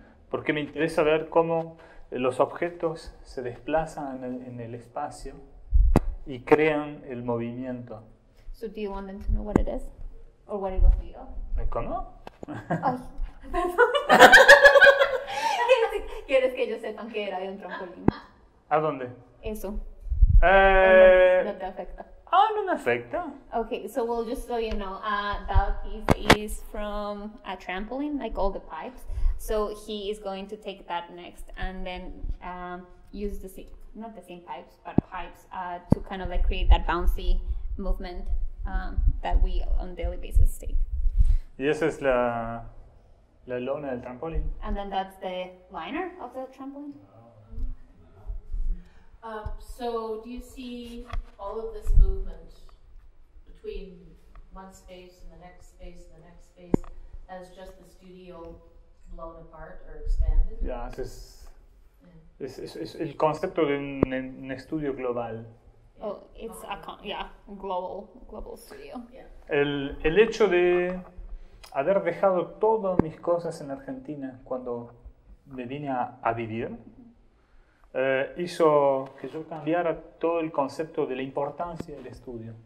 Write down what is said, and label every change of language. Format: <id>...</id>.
<es>porque me interesa ver cómo los objetos se desplazan en el espacio y crean el movimiento.</es> <en>So do you want them to know what it is or what it was made of?</en> <es>¿Cómo? Ay, perdón. ¿Quieres que yo sepa que era de un trampolín? ¿A dónde? Eso. No te afecta. Oh, no me afecta.</es> <en>Okay, so we'll just so you know, that piece is from a trampoline, like all the pipes. So he is going to take that next and then use the same, not the same pipes, but pipes to kind of like create that bouncy movement that we on daily basis take. Y esa es la lona del trampolín. And then that's the liner of the trampoline. So do you see all of this movement between one space and the next space and the next space as just the studio blown apart or expanded?</en> <es>Yeah, es el concepto de un estudio global.</es> <en>Oh, it's global studio. Yeah.</en> <es>El hecho de haber dejado todas mis cosas en Argentina cuando me vine a vivir hizo que yo cambiara todo el concepto de la importancia del estudio.</es>